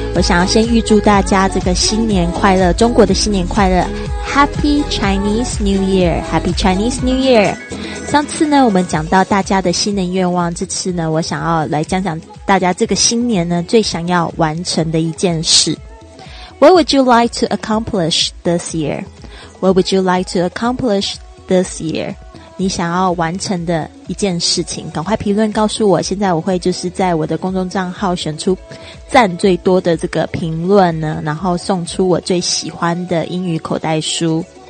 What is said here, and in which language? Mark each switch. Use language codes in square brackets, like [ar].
[zh] 我想要先预祝大家这个新年快乐，中国的新年快乐 ， [en] Happy Chinese New Year， [zh] Happy Chinese New Year。上次呢，我们讲到大家的新年愿望，这次呢，我想要来讲讲大家这个新年呢最想要完成的一件事。 [en] What would you like to accomplish this year? What would you like to accomplish this year? [zh] 你想要完成的一件事情，赶快评论告诉我。现在我会就是在我的公众账号选出赞最多的这个评论呢，然后送出我最喜欢的英语口袋书。